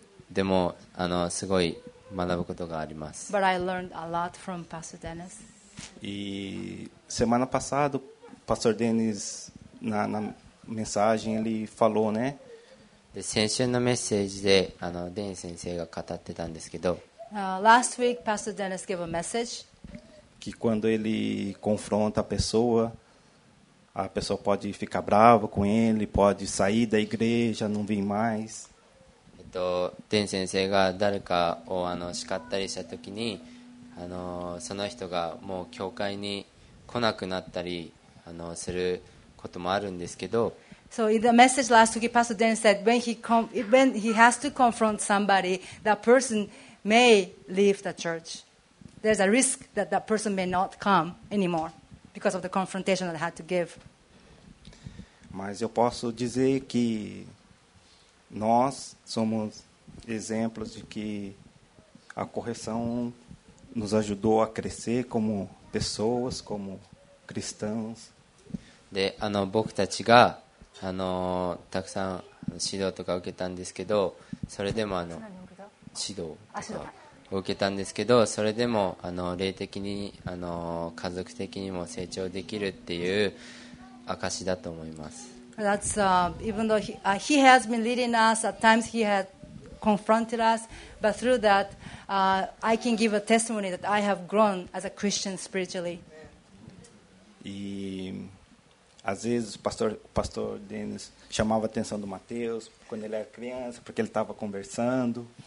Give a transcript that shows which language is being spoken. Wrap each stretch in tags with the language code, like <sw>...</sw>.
<ja>でもすごい学ぶことがあります。</ja> <en>But I learned a lot from Pastor Dennis.</en> <pt>E semana passada, Pastor Dennis na mensagem ele falou, né?</pt> <ja>で先週のメッセージでデニス先生が語ってたんですけど。</ja> <en>Last week, Pastor Dennis gave a message.</en> <pt>Que quando ele confronta a pessoa A pessoa pode ficar brava com ele, pode sair da igreja, não vir mais.</pt> <ja>Den 先生が誰かを叱ったりしたときに、その人がもう教会に来なくなったりすることもあるんですけど。</ja> <en>So in the message last week, Pastor Den said when he has to confront somebody, that person may leave the church. There's a risk that that person may not come anymore. Because of the confrontation that I had to give.</en> <pt>Mas eu posso dizer que nós somos exemplos de que a correção nos ajudou a crescer como pessoas, como cristãos.</pt> <ja>で、僕たちがたくさん指導とか受けたんですけど、それでも指導とか。受けたんですけど、それでも霊的に家族的にも成長できるっていう証だと思います。</ja> <en>That's even though he has been leading us, at times he has confronted us, but through that, I can give a testimony that I have grown as a Christian spiritually.</en> <pt>E às vezes pastor Denis chamava a atenção do Mateus quando ele era criança porque ele estava conversando.</pt>